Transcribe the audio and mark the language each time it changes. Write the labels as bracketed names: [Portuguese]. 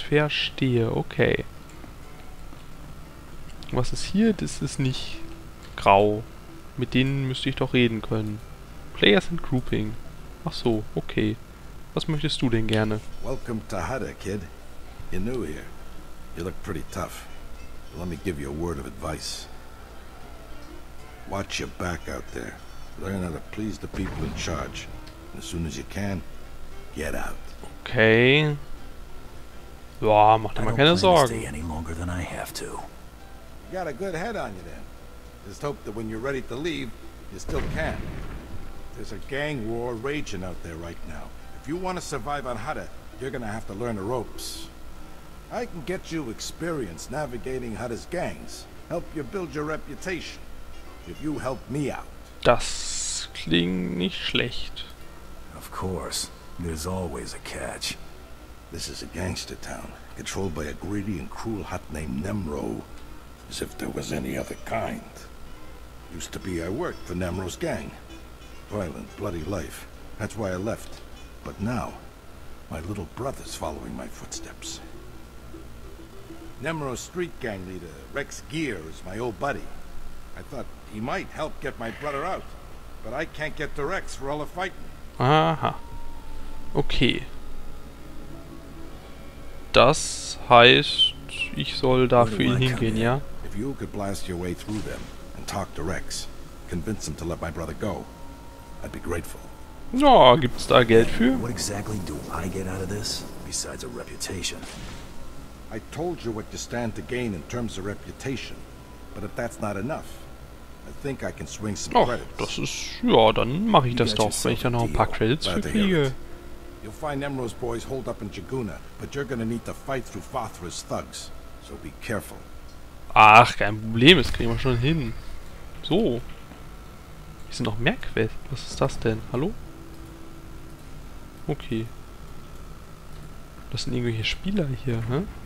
[German] Verstehe, okay. Was ist hier? Das ist nicht grau. Mit denen müsste ich doch reden können. Players and Grouping. Ach so, okay. Was möchtest du denn gerne? [English] Welcome to Hutta, kid. You're new here. You look pretty tough. But let me give you a word of advice. Watch your back out there. Learn how to please the people in charge. And as soon as you can, get out. Okay. [German] Boah, mach dir mal keine Sorgen. [English] Stay any longer than I have to. You got a good head on you then. Just hope that when you're ready to leave, you still can. There's a gang war raging out there right now. If you want to survive on Hutta, you're gonna have to learn the ropes. I can get you experience navigating Hutta's gangs, help you build your reputation. If you help me out. [German] Das klingt nicht schlecht. [English] Of course, there's always a catch. This is a gangster town, controlled by a greedy and cruel Hutt named Nemro. As if there was any other kind. Used to be I worked for Nemro's gang. Violent, bloody life. That's why I left. But now, my little brother's following my footsteps. Nemro's street gang leader, Rex Gear, is my old buddy. I thought he might help get my brother out, but I can't get to Rex for all the fighting. Aha. Okay. [German] Das heißt, ich soll da für ihn hingehen, ja? [English] If you could blast your way through them and talk to Rex, convince him to let my brother go, I'd be grateful. [German] Ja, gibt's da Geld für? [English] What exactly do I get out of this, besides a reputation? I told you what you stand to gain in terms of reputation, but if that's not enough, I think I can swing some credits. [German] Das ist, ja, dann mache ich das doch, wenn ich dann noch ein paar Credits kriege. [English] You'll find Nemro's boys holed up in Jaguna, but you're gonna need to fight through Fathra's thugs, so be careful. [German] Ach, kein Problem, das kriegen wir schon hin. So. Hier sind noch mehr Quests. Was ist das denn? Hallo? Okay. Das sind irgendwelche Spieler hier, hä?